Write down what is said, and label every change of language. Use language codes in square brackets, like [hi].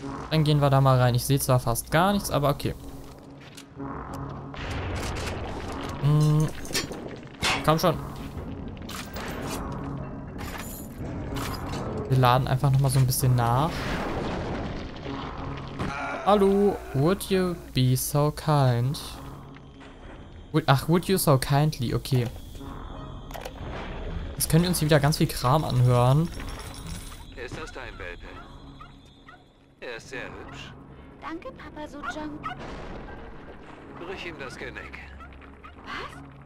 [de] Dann gehen wir da mal rein. Ich sehe zwar fast gar nichts, aber okay. Komm schon. Wir laden einfach nochmal so ein bisschen nach. [en] Hallo, would you be so kind? Would you so kindly? Okay. [de] Jetzt können wir uns hier wieder ganz viel Kram anhören. Ist das dein Welpe? Er ist sehr hübsch. Danke, Papa Sojong. Brich ihm das Genick. Was?